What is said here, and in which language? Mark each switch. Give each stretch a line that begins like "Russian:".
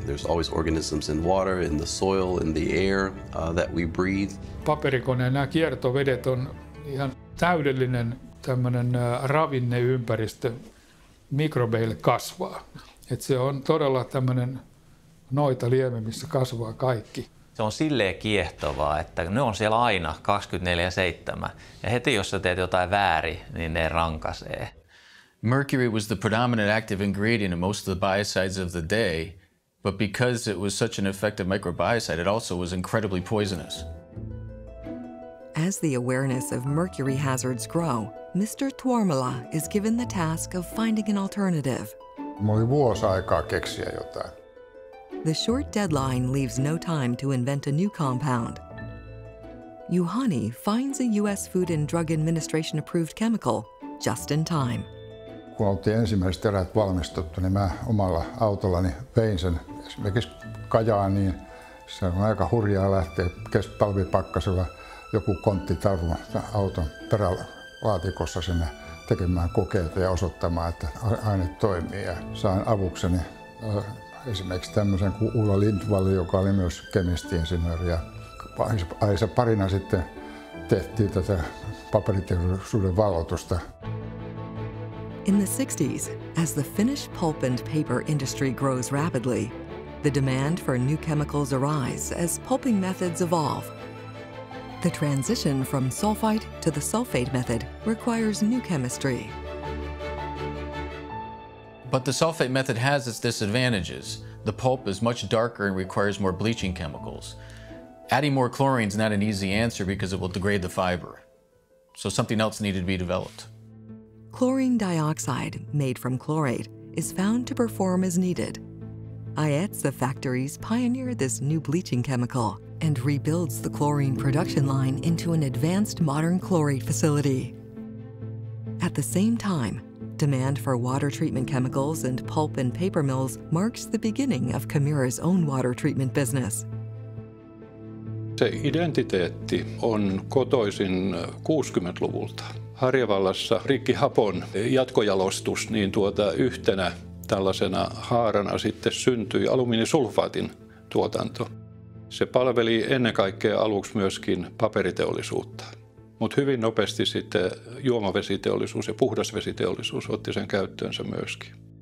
English: There's always organisms in water, in the soil, in the air that we breathe.
Finnish: Paperikone ja kiertovedet on ihan täydellinen tämmönen ravinneympäristö mikrobeille kasvaa. Et se on todella tämmönen noita lieme, missä kasvaa kaikki. Se on silleen kiehtovaa, että ne on siellä aina 24/7. Ja heti, jos sä teet jotain väärin, niin ne rankaisee.
English: Mercury was the predominant active ingredient in most of the biocides of the day, but because it was such an effective microbiocide, it also was incredibly poisonous. As the awareness of mercury hazards grow, Mr. Tuomala is given the task of finding an alternative.
Finnish: Mulla oli vuosi aikaa keksiä jotain.
English: The short deadline leaves no time to invent a new compound. Juhani finds a U.S. Food and Drug Administration approved chemical just in time.
Finnish: Kun oltiin ensimmäiset erät valmistettu, niin mä omalla autollani vein sen esimerkiksi Kajaaniin. Se on aika hurjaa lähteä talvipakkasella joku konttitarvo auton perälaatikossa sinne tekemään kokeita ja osoittamaan, että aine toimii. Ja sain avukseni esimerkiksi tämmöisen kuin Ulla Lindvall, joka oli myös kemisti-insinööri. Ja Aisa parina sitten tehtiin tätä paperiteollisuuden valloitusta.
English: In the 60s, as the Finnish pulp and paper industry grows rapidly, the demand for new chemicals arise as pulping methods evolve. The transition from sulfite to the sulfate method requires new chemistry. But the sulfate method has its disadvantages. The pulp is much darker and requires more bleaching chemicals. Adding more chlorine is not an easy answer because it will degrade the fiber. So something else needed to be developed. Chlorine dioxide, made from chlorate, is found to perform as needed. Aetsa factories pioneer this new bleaching chemical and rebuilds the chlorine production line into an advanced modern chlorate facility. At the same time, demand for water treatment chemicals and pulp and paper mills marks the beginning of Kemira's own water treatment business.
Finnish: Se identiteetti on kotoisin 60-luvulta. Harjavallassa rikki hapon jatkojalostus niin yhtenä tällaisena haarana sitten syntyi alumiinisulfaatin tuotanto. Se palveli ennen kaikkea aluksi myöskin paperiteollisuutta, mutta hyvin nopeasti sitten juomavesiteollisuus ja puhdasvesiteollisuus otti sen käyttöönsä myöskin.